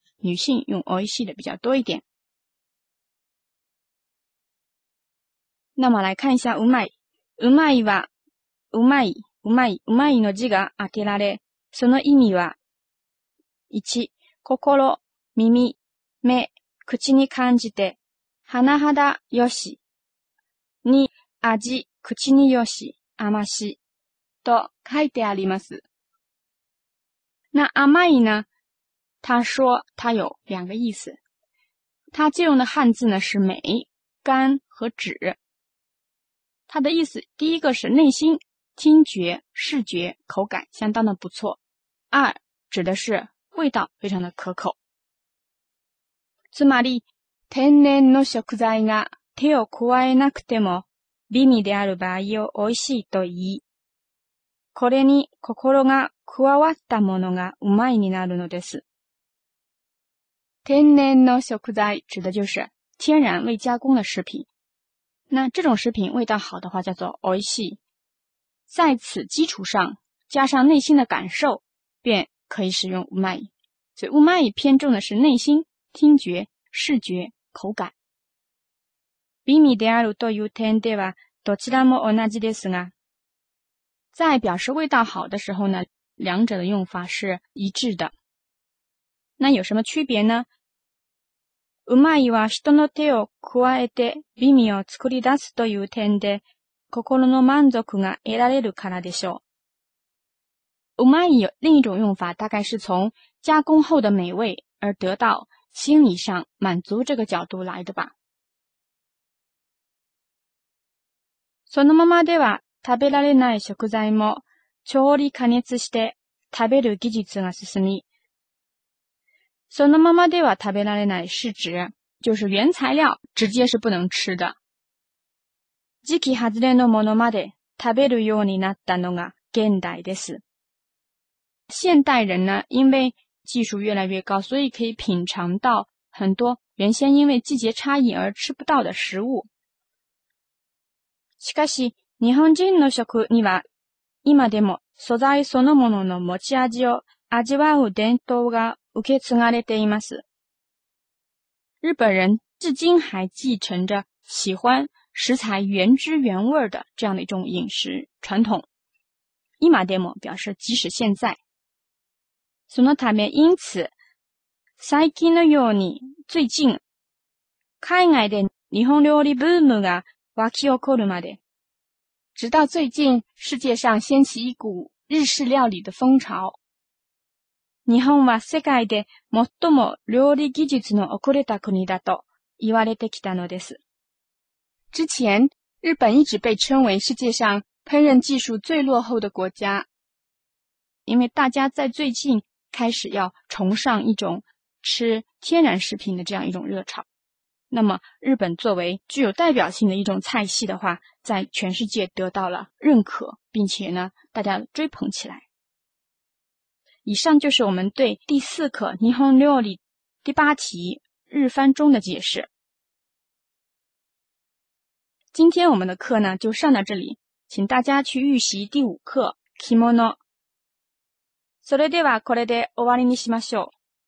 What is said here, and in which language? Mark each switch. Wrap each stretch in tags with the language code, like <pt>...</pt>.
<zh>女性用おいしい的比较多一点。那么来看一下うまい。</zh> <ja>うまいは、うまい、うまい、うまいの字が当てられ、その意味は、1、心、耳、目、口に感じて、はなはだよし。 2、味、口によし、甘し。と書いてあります。</ja> <zh>那甘いな、他说他有两个意思。他借用的汉字呢是美、甘和止。他的意思第一个是内心、听觉、视觉、口感相当的不错。二、指的是味道非常的可口。</zh> <ja>つまり、天然の食材が手を加えなくても美味である場合を美味しいと言い。これに心が加わったものがうまいになるのです。天然の食材</ja> <zh>指的就是天然未加工的食品。那这种食品味道好的话叫做美味しい。在此基础上加上内心的感受便可以使用うまい。所以うまい偏重的是内心、听觉、视觉、口感。</zh> <ja>美味であるという点ではどちらも同じですが。</ja> <zh>在表示味道好的时候呢两者的用法是一致的。那有什么区别呢？</zh> <ja>うまいは人の手を加えて美味を作り出すという点で心の満足が得られるからでしょう。</ja> <zh>うまい有另一种用法，大概是从加工后的美味而得到心理上满足这个角度来的吧。</zh> <ja>そのままでは食べられない食材も調理加熱して食べる技術が進み。そのままでは食べられない</ja> <zh>是指就是原材料直接是不能吃的。</zh> <ja>時期外れのものまで食べるようになったのが現代です。</ja> <zh>现代人呢，因为技术越来越高，所以可以品尝到很多原先因为季节差异而吃不到的食物。</zh> <ja>しかし、日本人の食には今でも素材そのものの持ち味を味わう伝統が受け継がれています。</ja> <zh>日本人至今还继承着喜欢食材原汁原味的这样的一种饮食传统。</zh> <ja>今でも</ja> <zh>表示即使现在。</zh> <ja>そのため</ja> <zh>因此、</zh> <ja>最近のように最近、海外で日本料理ブームが沸き起こるまで。</ja> <zh>直到最近、世界上掀起一股日式料理的风潮。</zh> <ja>日本は世界で最も料理技術の遅れた国だと言われてきたのです。</ja> <zh>之前、日本一直被称为世界上烹饪技术最落后的国家。因为大家在最近开始要崇尚一种吃天然食品的这样一种热潮。那么日本作为具有代表性的一种菜系的话，在全世界得到了认可，并且呢大家追捧起来。以上就是我们对第四课日本料理第八题日番中的解释。今天我们的课呢就上到这里，请大家去预习第五课 Kimono。</zh> <ja>それではこれで終わりにしましょう。</ja>